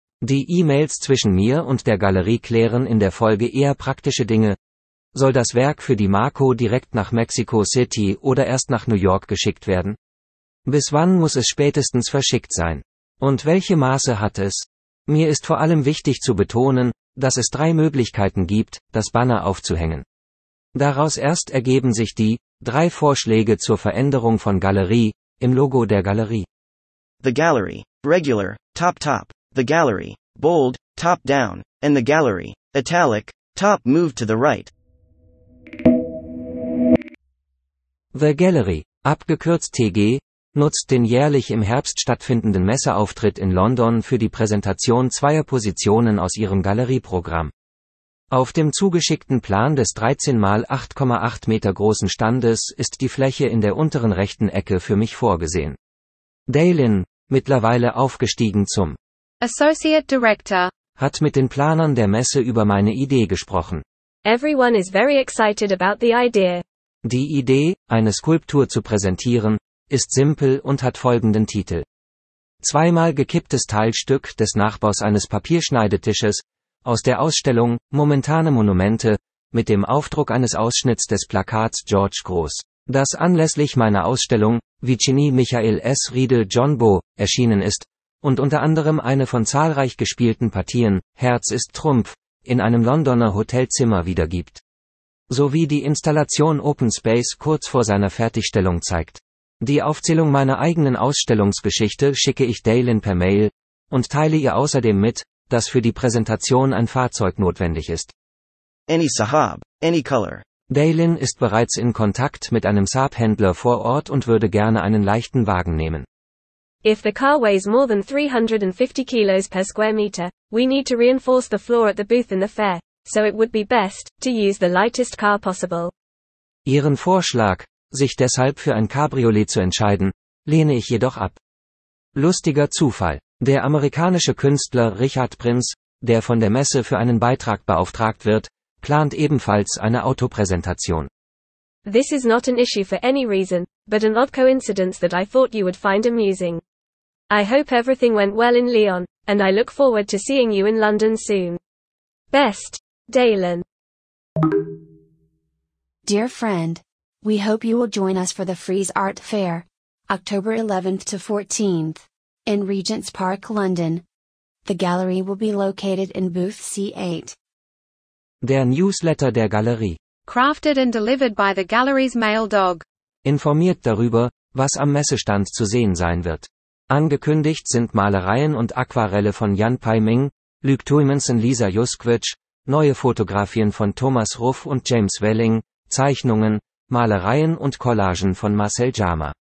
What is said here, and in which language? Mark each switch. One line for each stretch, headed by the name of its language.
German: Die E-Mails zwischen mir und der Galerie klären in der Folge eher praktische Dinge. Soll das Werk für die Marco direkt nach Mexico City oder erst nach New York geschickt werden? Bis wann muss es spätestens verschickt sein? Und welche Maße hat es? Mir ist vor allem wichtig zu betonen, dass es drei Möglichkeiten gibt, das Banner aufzuhängen. Daraus erst ergeben sich die drei Vorschläge zur Veränderung von Galerie im Logo der Galerie.
English: The gallery, regular, top top. The gallery, bold, top down. And the gallery, italic, top move to the right.
German: The Gallery, abgekürzt TG, nutzt den jährlich im Herbst stattfindenden Messeauftritt in London für die Präsentation zweier Positionen aus ihrem Galerieprogramm. Auf dem zugeschickten Plan des 13 x 8,8 Meter großen Standes ist die Fläche in der unteren rechten Ecke für mich vorgesehen. Dalin, mittlerweile aufgestiegen zum
English: Associate Director,
German: hat mit den Planern der Messe über meine Idee gesprochen.
English: Everyone is very excited about the idea.
German: Die Idee, eine Skulptur zu präsentieren, ist simpel und hat folgenden Titel. Zweimal gekipptes Teilstück des Nachbaus eines Papierschneidetisches, aus der Ausstellung Momentane Monumente, mit dem Aufdruck eines Ausschnitts des Plakats George Gross, das anlässlich meiner Ausstellung Vicini Michael S. Riedel John Bo erschienen ist, und unter anderem eine von zahlreich gespielten Partien, Herz ist Trumpf, in einem Londoner Hotelzimmer wiedergibt. Sowie die Installation Open Space kurz vor seiner Fertigstellung zeigt. Die Aufzählung meiner eigenen Ausstellungsgeschichte schicke ich Dalin per Mail und teile ihr außerdem mit, dass für die Präsentation ein Fahrzeug notwendig ist.
English: Any Sahab, any color.
German: Dalin ist bereits in Kontakt mit einem Saab-Händler vor Ort und würde gerne einen leichten Wagen nehmen.
English: If the car weighs more than 350 kilos per square meter, we need to reinforce the floor at the booth in the fair, so it would be best to use the lightest car possible.
German: Ihren Vorschlag, sich deshalb für ein Cabriolet zu entscheiden, lehne ich jedoch ab. Lustiger Zufall. Der amerikanische Künstler Richard Prinz, der von der Messe für einen Beitrag beauftragt wird, plant ebenfalls eine Autopräsentation.
English: This is not an issue for any reason, but an odd coincidence that I thought you would find amusing. I hope everything went well in Lyon, and I look forward to seeing you in London soon. Best, Dalin. Dear friend, we hope you will join us for the Frieze Art Fair, October 11th to 14th, in Regent's Park, London. The gallery will be located in Booth C8.
German: Der Newsletter der Galerie.
English: Crafted and delivered by the gallery's mail dog.
German: Informiert darüber, was am Messestand zu sehen sein wird. Angekündigt sind Malereien und Aquarelle von Jan Paiming, Luke Tuymans und Lisa Juskwitsch, neue Fotografien von Thomas Ruff und James Welling, Zeichnungen, Malereien und Collagen von Marcel Jama.